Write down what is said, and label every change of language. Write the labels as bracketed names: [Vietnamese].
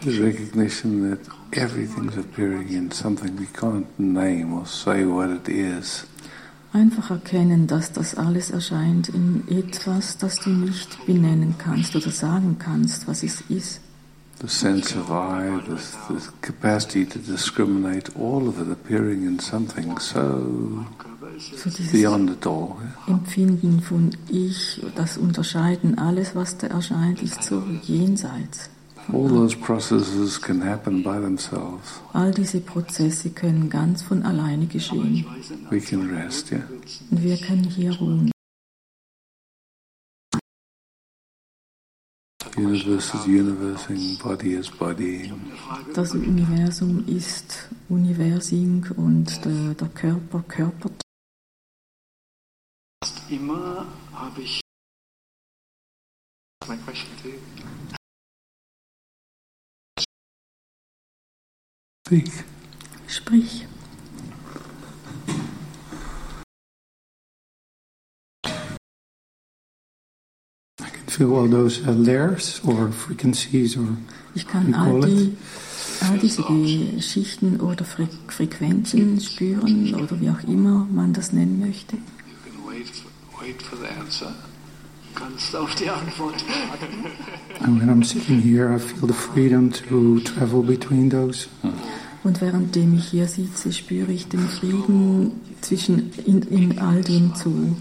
[English] The recognition that everything's appearing in something we can't name or say what it is. [German] Einfach erkennen, dass das alles erscheint in etwas, das du nicht benennen kannst oder sagen kannst, was es ist. [English] the sense of I, the capacity to discriminate, all of it appearing in something so, so beyond it all. [German] Empfinden von Ich, das Unterscheiden, alles, was da erscheint, ist so jenseits. [English] All those processes can happen by themselves. [German] All diese Prozesse können ganz von alleine geschehen. [English] We can rest, yeah. [German] Und wir können hier ruhen. [English] Universe is universing, body is body. [German] Das Universum ist Universing und der Körper körpert. Immer habe ich meine Frage. Sprich. [English] I can feel all those layers or frequencies or. [German] Ich kann all diese Schichten oder Frequenzen spüren oder wie auch immer man das nennen möchte. [English] You can wait for the answer. [German] Du kannst auf die Antwort warten. [English] When I'm sitting here, I feel the freedom to travel between those. [German] Und währenddem ich hier sitze, spüre ich den Frieden zwischen in all dem zu reisen.